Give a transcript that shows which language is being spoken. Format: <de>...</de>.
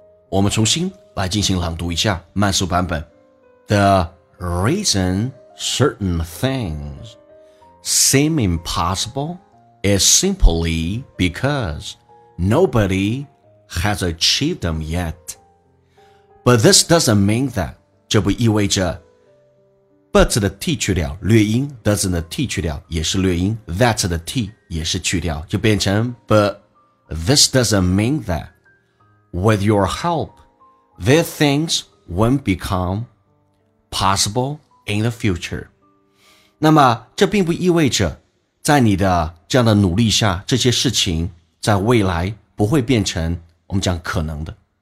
<zh>我们重新来进行朗读一下慢速版本。</zh> <en>The reason certain things seem impossible is simply because nobody has achieved them yet. But this doesn't mean that,</en> <zh>这不意味着 but 的 t 去掉略音， doesn't 的 t 去掉也是略音， that 的 t 也是去掉，就变成</zh> <en>but this doesn't mean thatWith your help, these things won't become possible in the future.</en> <zh>那么这并不意味着在你的这样的努力下，这些事情在未来不会变成我们讲可能的。</zh>